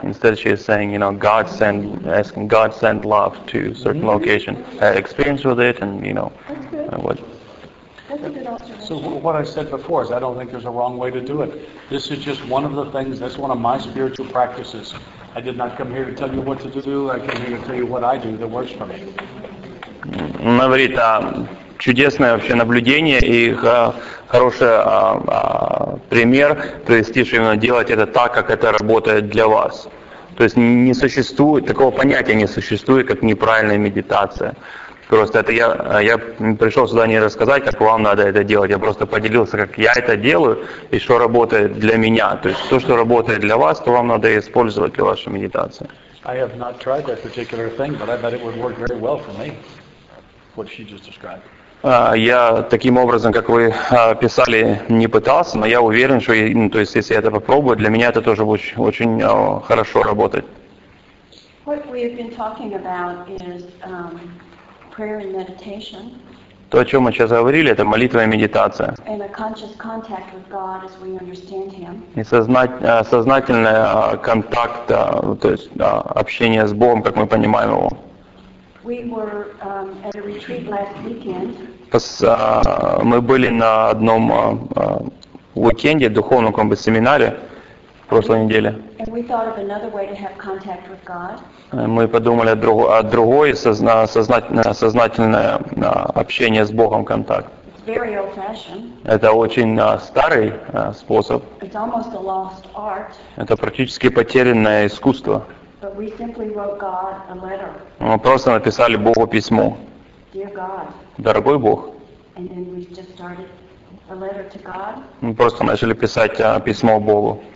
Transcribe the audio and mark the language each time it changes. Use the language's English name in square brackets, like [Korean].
[English] Instead she is saying, asking God send love to a certain location. I had experience with it and, That's good. What? That's So what I said before is I don't think there's a wrong way to do it. This is just one of the things, that's one of my spiritual practices. I did not come here to tell you what to do, I came here to tell you what I do that works for me. [Russian] Она говорит, а чудесное вообще наблюдение и хороший пример привести, что именно делать это так, как это работает для вас. То есть не существует, такого понятия не существует, как неправильная медитация. Просто это я пришел сюда не рассказать, как вам надо это делать, я просто поделился, как я это делаю и что работает для меня. То есть то, что работает для вас, то вам надо использовать для вашей медитации. [English] I have not tried that particular thing, but I bet it would work very well for me. What she just described. [Russian] Я таким образом, как вы писали, не пытался, но я уверен, что то есть, если я это попробую, для меня это тоже будет очень хорошо работать. [English] What we have been talking about is prayer and meditation. [Russian] То, о чем мы сейчас говорили, это молитва и медитация. [English] And a conscious contact with God as we understand Him. [Russian] И сознательный контакт, то есть общение с Богом, как мы понимаем его. [English] We were at a retreat last weekend. [Russian] Мы были на одном уикенде, духовном как бы семинаре в прошлой неделе. [English] And we thought of another way to have contact with God. [Russian] Мы подумали о другой сознательное общение с Богом контакт. [English] It's very old-fashioned. [Russian] Это очень старый способ. [English] It's almost a lost art. [Russian] Это практически потерянное искусство. [English] But we simply wrote God a letter. [Russian] Мы просто написали Богу письмо. [English] Dear God. [Russian] Дорогой Бог. [English] And then we just started a letter to God. [Russian] Мы просто начали писать письмо Богу.